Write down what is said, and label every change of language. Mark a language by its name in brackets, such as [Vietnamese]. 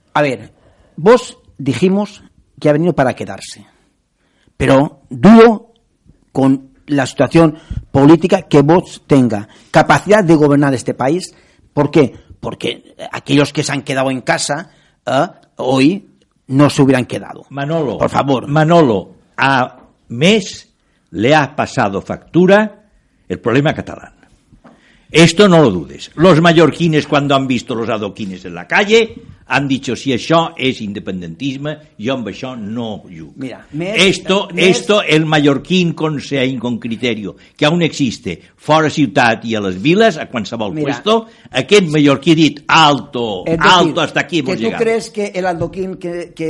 [Spanish] A ver, vos dijimos que ha venido para quedarse, pero dudo con la situación política que vos tenga capacidad de gobernar este país. ¿Por qué? Porque aquellos que se han quedado en casa hoy no se hubieran quedado. Manolo, por favor. Manolo, a MES le ha pasado factura el problema catalán. Esto no lo dudes. Los mallorquines, cuando han visto los adoquines en la calle, han dicho, [Catalan] si això és independentisme, jo amb això no lluc. [Spanish] Mira, esto, el mallorquín con criterio, que aún existe [Catalan] fora ciutat i a les viles, a qualsevol puesto, aquest mallorquí ha dit, [Spanish] alto, decir, alto, hasta aquí hemos llegado. ¿Que tú crees que el adoquín que